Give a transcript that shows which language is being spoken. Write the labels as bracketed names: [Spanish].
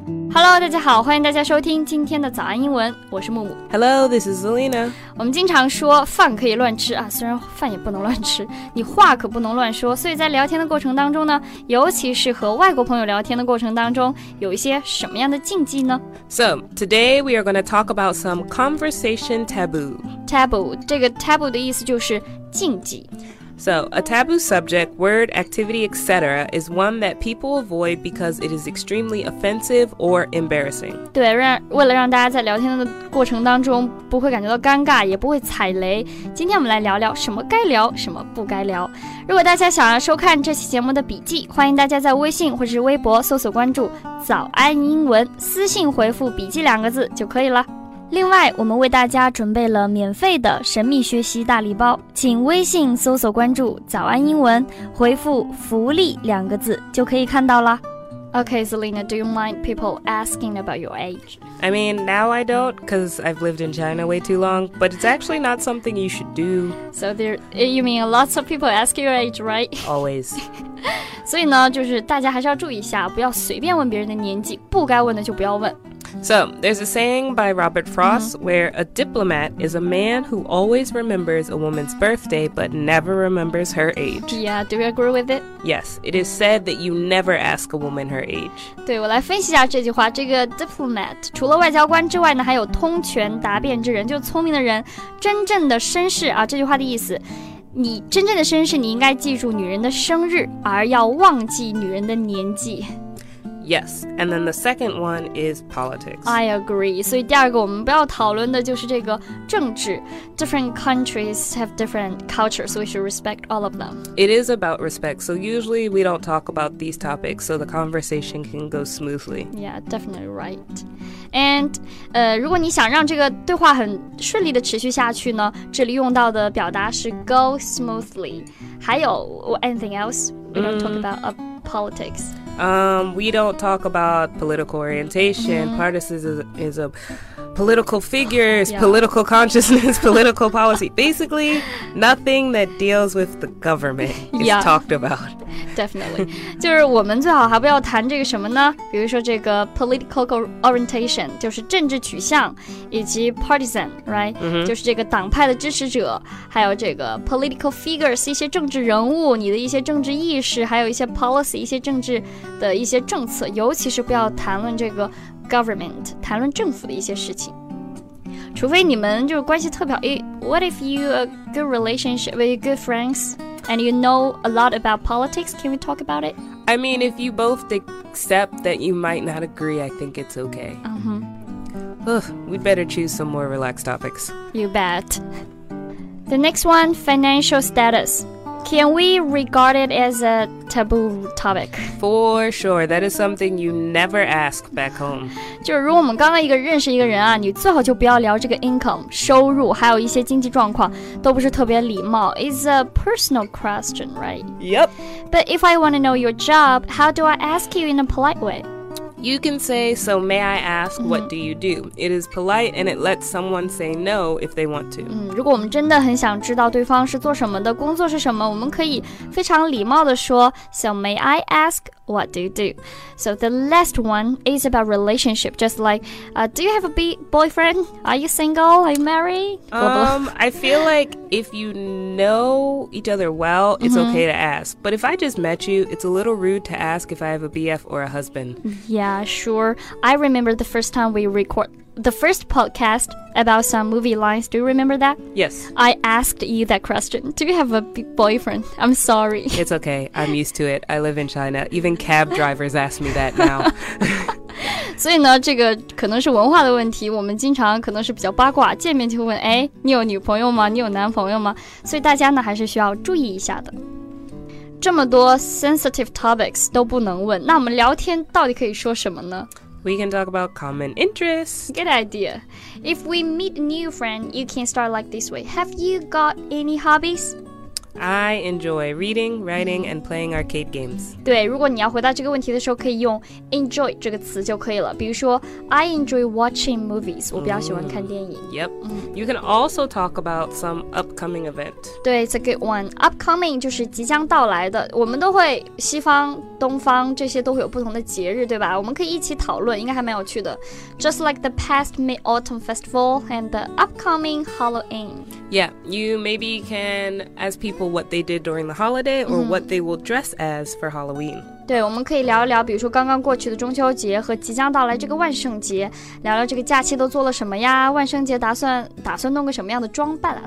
[Chinese] Hello, 大家好，欢迎大家收听今天的早安英文，我是木木。 [English] Hello, this is Zelina. [Chinese] 我们经常说饭可以乱吃啊，虽然饭也不能乱吃，你话可不能乱说，所以在聊天的过程当中呢，尤其是和外国朋友聊天的过程当中，有一些什么样的禁忌呢？ [English] So, today we are going to talk about some conversation taboo. [Chinese] Taboo, 这个 taboo 的意思就是禁忌。 [English] So, a taboo subject, word, activity, etc. is one that people avoid because it is extremely offensive or embarrassing. [Chinese] 对，为了让大家在聊天的过程当中不会感觉到尴尬，也不会踩雷，今天我们来聊聊什么该聊，什么不该聊。如果大家想要收看这期节目的笔记，欢迎大家在微信或者是微博搜索关注早安英文，私信回复笔记两个字就可以了。另外，我们为大家准备了免费的神秘学习大礼包，请微信搜索关注早安英文，回复福利两个字就可以看到了。 [English] Okay, Zelina, do you mind people asking about your age? I mean, now I don't, because I've lived in China way too long, but it's actually not something you should do. So there, you mean lots of people ask your age, right? Always. [Chinese] 所以呢，就是大家还是要注意一下，不要随便问别人的年纪，不该问的就不要问。 [English] So, there's a saying by Robert Frost、mm-hmm. where a diplomat is a man who always remembers a woman's birthday but never remembers her age. Yeah, do you agree with it? Yes, it is said that you never ask a woman her age. [Chinese] 对，我来分析一下这句话。这个 diplomat 除了外交官之外呢，还有通权达变之人，就是聪明的人，真正的绅士啊，这句话的意思。你真正的绅士，你应该记住女人的生日，而要忘记女人的年纪。 [English] Yes, and then the second one is politics. I agree. [Chinese] 所以第二个我们不要讨论的就是这个政治。 [English] Different countries have different cultures, so we should respect all of them. It is about respect, so usually we don't talk about these topics, so the conversation can go smoothly. Yeah, definitely right. [Chinese] And, 如果你想让这个对话很顺利的持续下去呢，这里用到的表达是 [English] go smoothly. [Chinese] 还有 [English] anything else? We don't talk about politics. We don't talk about political orientation,、mm-hmm. partisanism, political figures,、yeah. political consciousness, political policy. Basically, nothing that deals with the government is、 yeah. talked about. Definitely. [Chinese] 就是我们最好还不要谈这个什么呢？比如说这个 political orientation, 就是政治取向，以及 partisan, right?、 [English] Mm-hmm. [Chinese] 就是这个党派的支持者，还有这个 political figures, 一些政治人物，你的一些政治意识，还有一些 policy, 一些政治的一些政策，尤其是不要谈论这个 government, 谈论政府的一些事情。除非你们就是关系特别好。 [English] What if you a good relationship with good friends and you know a lot about politics? Can we talk about it? I mean, if you both accept that you might not agree, I think it's okay. Uh-huh. Ugh, we'd better choose some more relaxed topics. You bet. The next one, financial status. Can we regard it as a taboo topic? For sure, that is something you never ask back home. [Chinese] 就是如果我们刚刚一个认识一个人啊，你最好就不要聊这个 income, 收入，还有一些经济状况，都不是特别礼貌。 [English] It's a personal question, right? Yep. But if I want to know your job, how do I ask you in a polite way? You can say, so may I ask, mm-hmm. what do you do? It is polite and it lets someone say no if they want to. [Chinese] 如果我们真的很想知道对方是做什么的，工作是什么，我们可以非常礼貌地说 [English] So may I ask, what do you do? So the last one is about relationship, just like, do you have a boyfriend? Are you single? Are you married? I feel like if you know each other well, it's、mm-hmm. okay to ask. But if I just met you, it's a little rude to ask if I have a BF or a husband. Yeah, sure. I remember the first time we recorded the first podcast about some movie lines. Do you remember that? Yes. I asked you that question. Do you have a boyfriend? I'm sorry. It's okay. I'm used to it. I live in China. Even cab drivers ask me that now. [Chinese] 所以呢，这个可能是文化的问题。我们经常可能是比较八卦，见面就问，哎，你有女朋友吗？你有男朋友吗？所以大家呢，还是需要注意一下的。这么多 [English] sensitive topics [Chinese] 都不能问，那我们聊天到底可以说什么呢？ [English] We can talk about common interests. Good idea. If we meet a new friend, you can start like this way. Have you got any hobbies? I enjoy reading, writing, and playing arcade games. [Chinese] 对，如果你要回答这个问题的时候，可以用 enjoy 这个词就可以了。比如说 [English] I enjoy watching movies. [Chinese] 我比较喜欢看电影。 [English] Yep. You can also talk about some upcoming event. 对 it's a good one. [Chinese] Upcoming 就是即将到来的。我们都会西方、东方这些都会有不同的节日，对吧？我们可以一起讨论，应该还蛮有趣的。 [English] Just like the past Mid-Autumn Festival and the upcoming Halloween. Yeah, you maybe can ask people what they did during the holiday or what they will dress as for Halloween. [Chinese] 对，我们可以聊一聊，比如说刚刚过去的中秋节和即将到来这个万圣节，聊聊这个假期都做了什么呀？万圣节打算弄个什么样的装扮啊？